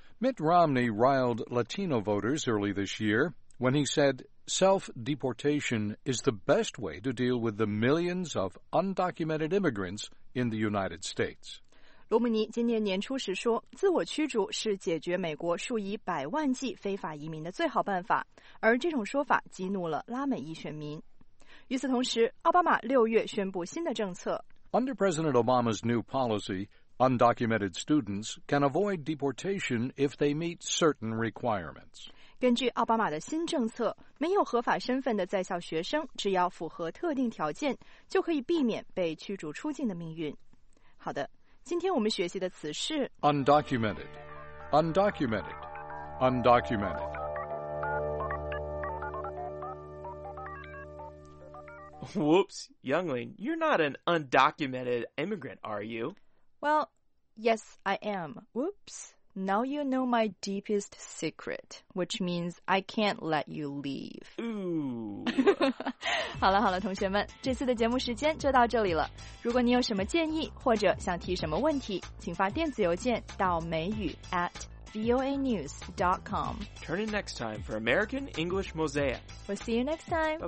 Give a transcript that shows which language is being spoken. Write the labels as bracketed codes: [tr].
[en] Mitt Romney riled Latino voters early this year when he said self-deportation is the best way to deal with the millions of undocumented immigrants in the United States. [zh] 罗姆尼今年年初时说，自我驱逐是解决美国数以百万计非法移民的最好办法，而这种说法激怒了拉美裔选民。与此同时，奥巴马六月宣布新的政策。 [en] Under President Obama's new policy, undocumented students can avoid deportation if they meet certain requirements. [zh] 根据奥巴马的新政策，没有合法身份的在校学生只要符合特定条件，就可以避免被驱逐出境的命运。好的，今天我们学习的词是 [en] undocumented, undocumented, undocumented. Whoops, Yonglin, you're not an undocumented immigrant, are you? Well, yes, I am. Whoops, now you know my deepest secret, which means I can't let you leave. Ooh. [zh] 好了好了，同学们，这次的节目时间就到这里了。如果你有什么建议或者想提什么问题，请发电子邮件到美语@voanews.com. [en] Turn in next time for American English Mosaic. We'll see you next time.